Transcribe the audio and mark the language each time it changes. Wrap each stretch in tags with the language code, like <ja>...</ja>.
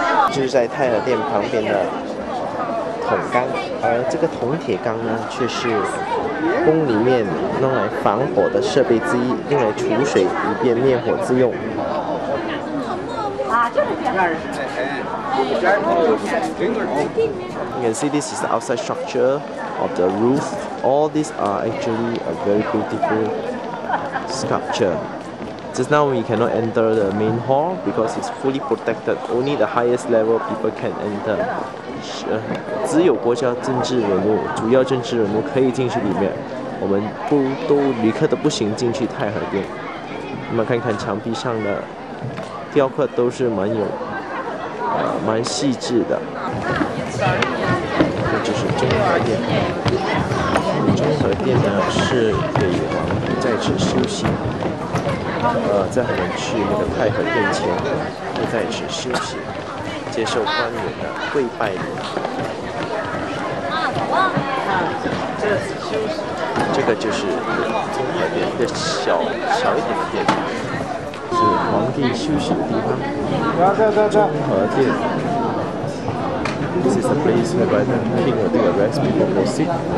<zh>就是在太和殿旁边的铜缸，而这个铜铁缸呢，却是宫里面用来防火的设备之一，用来储水以便灭火之用。</zh> <en>You can see this is the outside structure of the roof. All these are actually a very beautiful sculpture. Just now we cannot enter the main hall because it's fully protected. Only the highest level people can enter.</en> <zh>只有国家政治人物、主要政治人物可以进去里面，我们都旅客都不行进去太和殿。你们看看墙壁上的雕刻都是蛮细致的。这就是中和殿。中和殿呢是给皇帝在此休息，在我们去那个太和殿前会在此休息。接受官员的跪拜礼。这个就是中和殿，一个小一点的殿，是皇帝休息的地方。中和殿。</zh> <en>This is the place where the king will take a rest before the sit.</en>